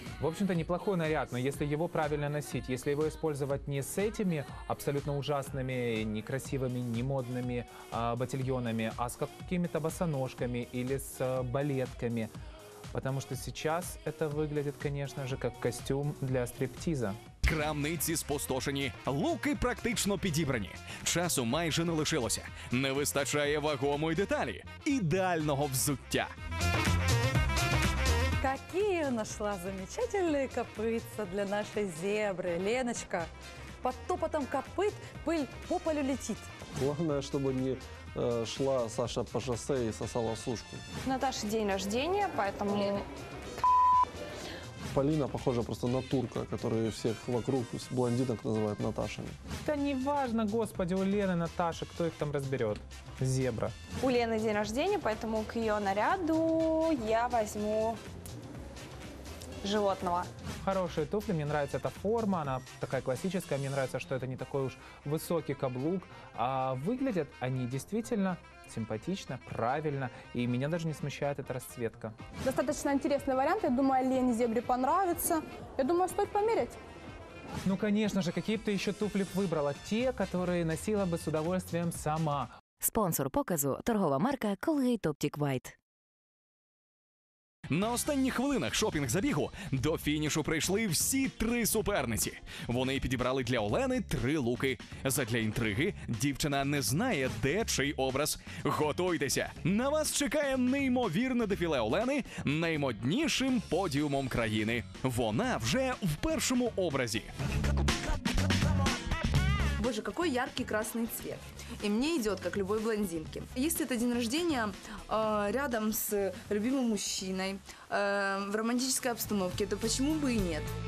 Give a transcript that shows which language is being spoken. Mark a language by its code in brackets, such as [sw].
[ru] В общем-то, неплохой наряд, но если его правильно носить, если его использовать не с этими абсолютно ужасными, некрасивыми, немодными ботильонами, а с какими-то босоножками или с балетками, потому что сейчас это выглядит, конечно же, как костюм для стриптиза. [uk] Крамниці спустошені, луки практично підібрані. Часу майже не лишилося. Не вистачає вагомої деталі. Ідеального взуття. [ru] Какие нашла замечательные копытца для нашей зебры, Леночка. Под топотом копыт пыль по полю летит. Главное, чтобы не шла Саша по шоссе и сосала сушку. Наташа день рождения, поэтому... Полина похожа просто на турка, которую всех вокруг блондинок называют Наташами. Да не важно, господи, у Лены, Наташи, кто их там разберет? Зебра. У Лены день рождения, поэтому к ее наряду я возьму животного. Хорошие туфли, мне нравится эта форма, она такая классическая, мне нравится, что это не такой уж высокий каблук. А выглядят они действительно симпатично, правильно, и меня даже не смущает эта расцветка. Достаточно интересный вариант, я думаю, Лене зебре понравится. Я думаю, стоит померить. Ну, конечно же, какие бы ты еще туфли выбрала? Те, которые носила бы с удовольствием сама. [uk] Спонсор показу – торгова марка Colgate Optic White. На останніх хвилинах шопінг-забігу до фінішу прийшли всі три суперниці. Вони підібрали для Олени три луки. Задля інтриги дівчина не знає, де чий образ. Готуйтеся! На вас чекає неймовірне дефіле Олени наймоднішим подіумом країни. Вона вже в першому образі. [ru] Боже, какой яркий красный цвет. И мне идет, как любой блондинке. Если это день рождения рядом с любимым мужчиной, в романтической обстановке, то почему бы и нет?